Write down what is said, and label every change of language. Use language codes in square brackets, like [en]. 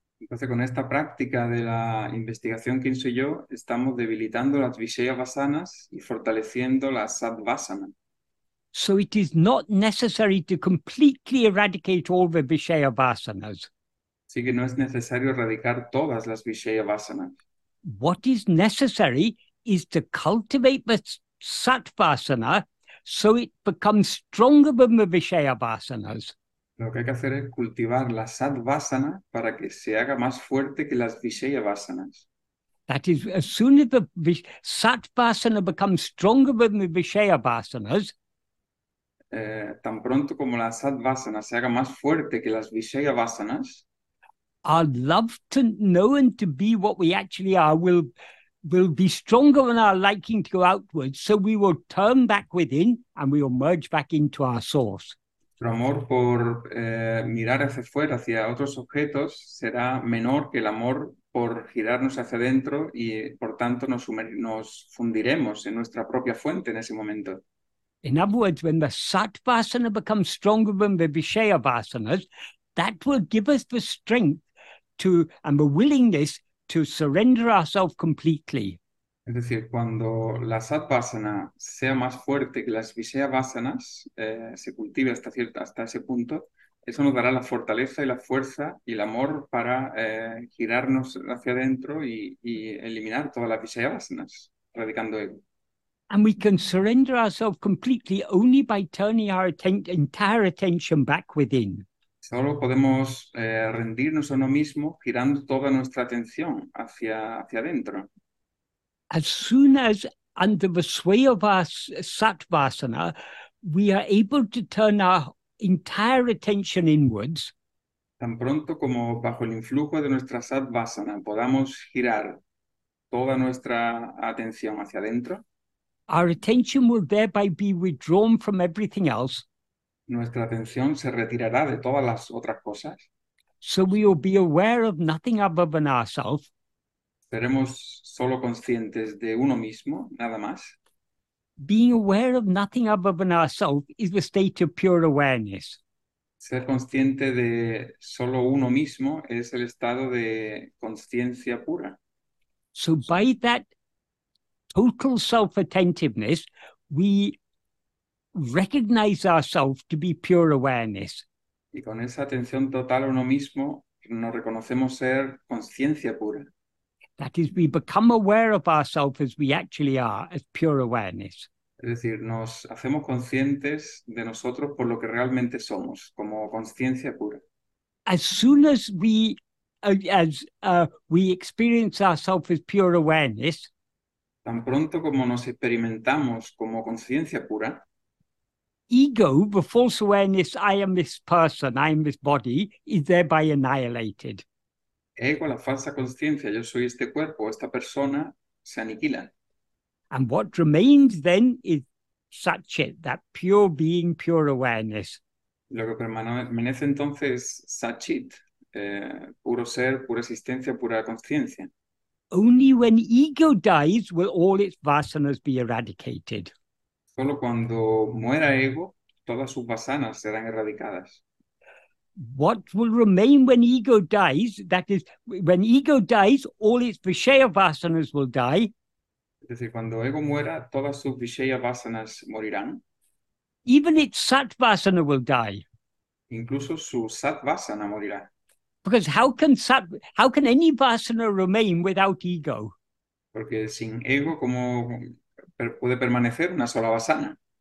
[es] Entonces, con esta práctica de la investigación quién soy yo, estamos debilitando las viṣeya vasanas y fortaleciendo la sat vasana. [en] So it is not necessary to completely eradicate all the viṣeya vasanas. [es] Así que no es necesario erradicar todas las viṣeya vasanas. [en] What is necessary is to cultivate the sat vasana so it becomes stronger than the viṣeya vasanas. [es] Lo que hay que hacer es cultivar la sattvasana para que se haga más fuerte que las viṣeya vasanas. [en] That is, as soon as the sattvasana becomes stronger than the viṣeya vasanas, [es] tan pronto como la sattvasana se haga más fuerte que las viṣeya vasanas, [en] our love to know and to be what we actually are will be stronger than our liking to go outwards, so we will turn back within and we will merge back into our source. [es] Nuestro amor por mirar hacia fuera, hacia otros objetos, será menor que el amor por girarnos hacia adentro y, por tanto, nos fundiremos en nuestra propia fuente en ese momento. [en] In other words, when the sattvasana becomes stronger than the viṣeya vasanas, that will give us the strength to and the willingness to surrender ourselves completely. [es] Es decir, cuando la sattvasana sea más fuerte que las viṣeya vasanas, se cultive hasta ese punto, eso nos dará la fortaleza y la fuerza y el amor para girarnos hacia adentro y eliminar todas las viṣeya vasanas, erradicando ego. [en] And we can surrender ourselves completely only by turning our entire attention back within. [es] Solo podemos rendirnos a uno mismo girando toda nuestra atención hacia adentro. [en] As soon as, under the sway of our sattvasana, we are able to turn our entire attention inwards, [es] tan pronto como bajo el influjo de nuestra sattvasana podamos girar toda nuestra atención hacia adentro, [en] our attention will thereby be withdrawn from everything else. [es] Nuestra atención se retirará de todas las otras cosas. [en] So we will be aware of nothing other than ourselves. [es] Seremos solo conscientes de uno mismo, nada más. [en] Being aware of nothing other than ourselves is the state of pure awareness. [es] Ser consciente de solo uno mismo es el estado de conciencia pura. [en] So by that total self-attentiveness, we recognize ourselves to be pure awareness. [es] Y con esa atención total a uno mismo, nos reconocemos ser conciencia pura. [en] That is, we become aware of ourselves as we actually are, as pure awareness. [es] Es decir, nos hacemos conscientes de nosotros por lo que realmente somos, como conciencia pura. [en] As soon as we experience ourselves as pure awareness, [es] tan pronto como nos experimentamos como conciencia pura, [en] ego, the false awareness, I am this person, I am this body, is thereby annihilated. [es] Ego, la falsa conciencia, yo soy este cuerpo, esta persona, se aniquila. [en] And what remains then is satchit, that pure being, pure awareness. [es] Lo que permanece entonces es satchit, puro ser, pura existencia, pura conciencia. [en] Only when ego dies will all its vasanas be eradicated. [es] Solo cuando muera ego, todas sus vasanas serán erradicadas. [en] What will remain when ego dies, that is, when ego dies, all its vishaya vasanas will die. [es] Es decir, cuando ego muera, todas sus vishaya vasanas morirán. [en] Even its sat vasana will die. [es] Incluso su sat vasana morirá. [en] Because how can any vasana remain without ego? [es] Porque sin ego, ¿cómo puede permanecer una sola vasana?